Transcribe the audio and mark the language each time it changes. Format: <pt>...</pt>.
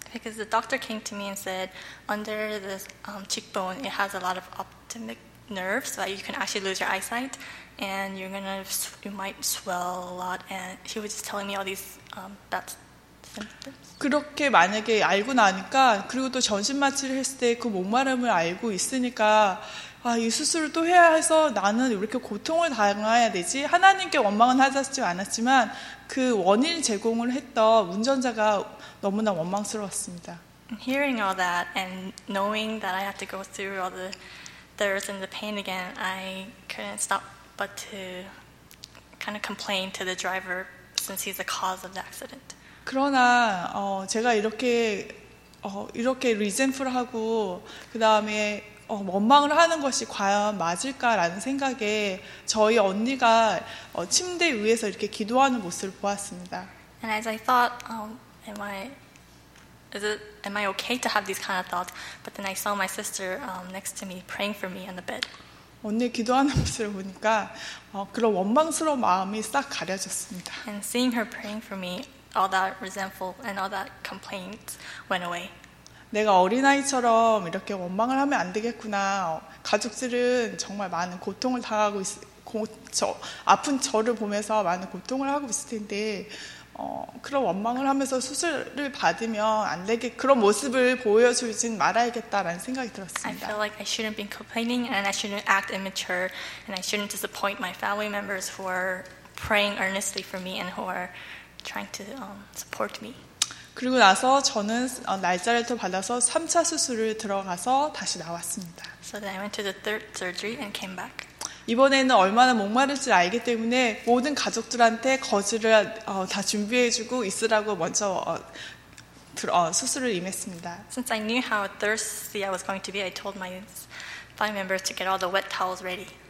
<en>Because the doctor came to me and said, under the cheekbone, it has a lot of optic nerves, so that you can actually lose your eyesight, and you might swell a lot. And he was just telling me all these bad symptoms.</en> <ko>그렇게 만약에 알고 나니까, 그리고 또 전신 마취를 했을 때 그 목마름을 알고 있으니까, 아, 이 수술을 또 해야 해서 나는 이렇게 고통을 당해야 되지. 하나님께 원망은 하지 않았지만 그 원인 제공을 했던 운전자가 너무나 원망스러웠습니다.</ko> <en>Hearing all that and knowing that I had to go through all the thirst and the pain again, I couldn't stop but to kind of complain to the driver since he's the cause of the accident.</en> <ko>그러나 제가 이렇게 resentful 하고 그 다음에 원망을 하는 것이 과연 맞을까라는 생각에 저희 언니가 침대 위에서 이렇게 기도하는 모습을 보았습니다.</ko> <en>And as I thought, am I okay to have these kind of thoughts? But then I saw my sister next to me praying for me on the bed.</en> <ko>언니 기도하는 모습을 보니까 그런 원망스러운 마음이 싹 가려졌습니다.</ko> <en>And seeing her praying for me, all that resentful and all that complaints went away.</en> <ko>내가 어린아이처럼 이렇게 원망을 하면 안 되겠구나. 가족들은 정말 많은 고통을 당하고 아픈 저를 보면서 많은 고통을 하고 있을 텐데 그런 원망을 하면서 수술을 받으면 안 되게 그런 모습을 보여주진 말아야겠다라는 생각이 들었습니다.</ko> <en>I feel like I shouldn't be complaining and I shouldn't act immature and I shouldn't disappoint my family members who are praying earnestly for me and who are trying to support me.</en> <ko>그리고 나서 저는 날짜를 또 받아서 3차 수술을 들어가서 다시 나왔습니다.</ko> <en>So then I went to the third surgery and came back.</en> <ko>이번에는 얼마나 목마를지 알기 때문에 모든 가족들한테 거즈를 다 준비해주고 있으라고 먼저 수술을 임했습니다.</ko> <en>Since I knew how thirsty I was going to be, I told my family members to get all the wet towels ready.</en>